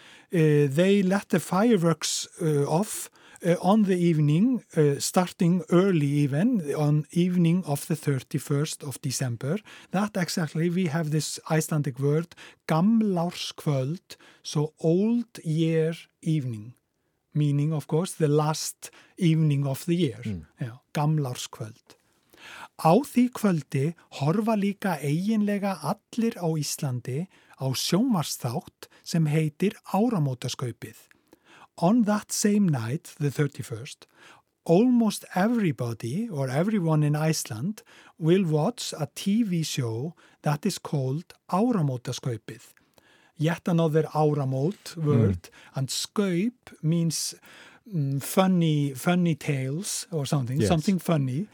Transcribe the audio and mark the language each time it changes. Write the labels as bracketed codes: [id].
[en] They let the fireworks off on the evening, starting early even, on evening of the 31st of December. That exactly, we have this Icelandic word, gamlárskvöld, so old year evening, meaning, of course, the last evening of the year. [is] Gamlárskvöld. Á því kvöldi horfa líka eiginlega allir á Íslandi á sjónvarsþátt sem heitir Áramótaskaupið. [en] On that same night, the 31st, almost everybody or everyone in Iceland will watch a TV show that is called Áramótaskaupið. Yet another Áramót word. And skaup means funny tales or something, something funny.